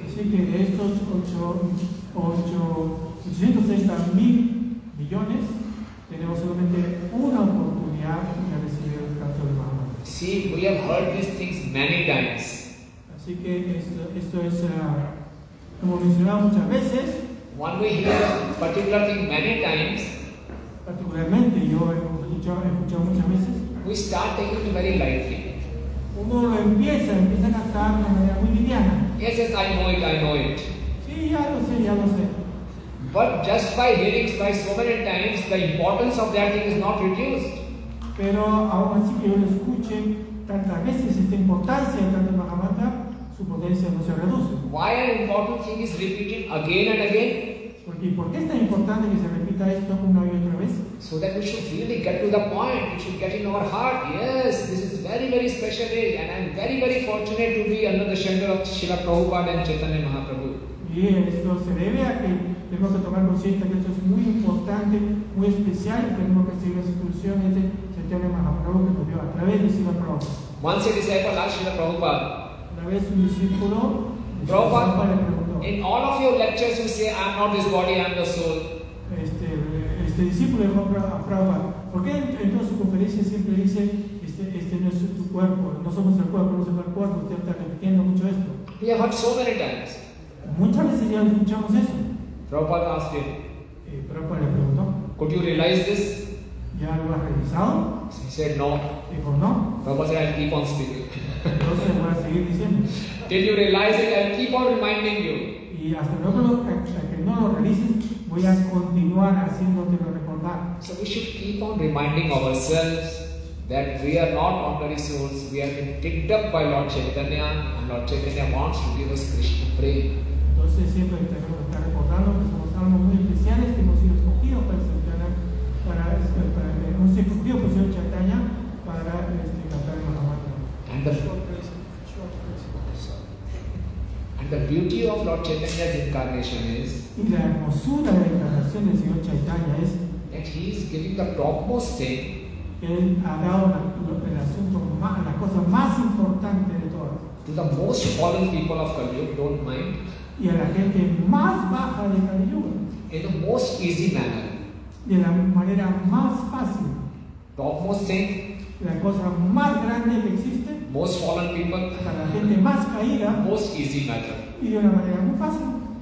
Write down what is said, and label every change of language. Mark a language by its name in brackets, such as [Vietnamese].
[Spanish] Así que de estos 806,000 millones tenemos solamente una oportunidad de recibir el canto de Mahamantra. [English] See, we have heard these things many times. [Spanish] Así que esto es como mencionado muchas veces. [English] When we hear particular thing many times, [Spanish] particularmente yo he escuchado muchas veces, [English] we start taking it very lightly. [Spanish] Uno lo empieza a cantar de una manera muy liviana. [English] Yes, I know it. [Spanish] Sí, ya lo sé. [English] But just by hearing thrice so many times, the importance of that thing is not reduced. [Spanish] Pero aún así que yo lo escuche tantas veces, esta importancia de tanto Mahamantra, su potencia no se reduce. [English] Why an important thing is repeated again and again? [Spanish] Porque ¿por qué es tan importante que se repita esto una y otra vez? [English] So that we should really get to the point, we should get in our heart, yes, this is very very special day and I am very very fortunate to be under the shelter of Srila Prabhupada and Chaitanya Mahaprabhu. [Spanish] Y esto se debe a que tenemos que tomar conciencia que esto es muy importante, muy especial, y tenemos que seguir las instrucciones de Chaitanya Mahaprabhu que nos dio a través de Srila Prabhupada. [English] Once a disciple asked Srila Prabhupada. [Spanish] Una vez un discípulo, Prabhupada le preguntó. [English] In all of your lectures you say, I am not this body, I am the soul. [Spanish] Este discípulo le dijo a Prabhupada, ¿por qué en todas sus conferencias siempre dice, este no es tu cuerpo, no somos el cuerpo, no somos el cuerpo, usted está repitiendo mucho esto? [English] He has heard so many times. [Spanish] Muchas veces ya escuchamos eso. [English] Prabhupada asked him. [Spanish] Prabhupada le preguntó. [English] Could you realize this? [Spanish] ¿Ya lo has realizado? [English] He said no. [Spanish] Dijo no. [English] Prabhupada said, I'll keep on speaking. [Spanish] Entonces voy a seguir diciendo. [English] Did you realize it? I'll keep on reminding you. [Spanish] Y hasta el otro, hasta que no lo realices, voy a continuar haciéndote lo recordar. [English] So we should keep on reminding ourselves that we are not ordinary souls, we have been picked up by Lord Chaitanya, and Lord Chaitanya wants to give us Krishna prema. [Spanish] Entonces siempre tenemos que estar recordando que somos almas muy especiales, que hemos sido escogidos para Chaitanya, para hemos sido escogidos por Señor Chaitanya para cantar el Mahamantra. [English] And the beauty of Lord Chaitanya's incarnation is [Spanish] la hermosura de la encarnación del Señor Chaitanya es [English] that he is giving the topmost thing. [Spanish] Él ha dado el asunto más, la cosa más importante de todas. [English] To the most fallen people of Kali Yuga, don't mind. [Spanish] Y a la gente más baja de Kali Yuga. [English] In the most easy manner. [Spanish] De la manera más fácil. [English] Topmost thing. [Spanish] La cosa más grande que existe. [English] Most fallen people. [Spanish] A la gente más caída. [English] Most easy matter. [Spanish] Y de una manera muy fácil.